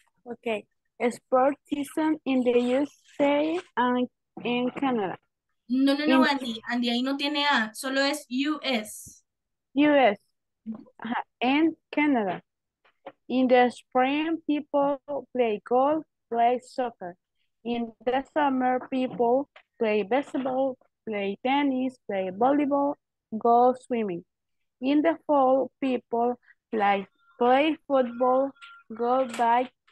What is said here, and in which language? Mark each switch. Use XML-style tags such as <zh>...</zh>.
<en>Okay, sport season in the USA and in Canada.</en> <es>No, no, no, in Andy, ahí no tiene A, solo es US.</es> <en>US, and Canada. In the spring, people play golf, play soccer. In the summer, people play basketball, play tennis, play volleyball, go swimming. In the fall, people play football, go bike,</en>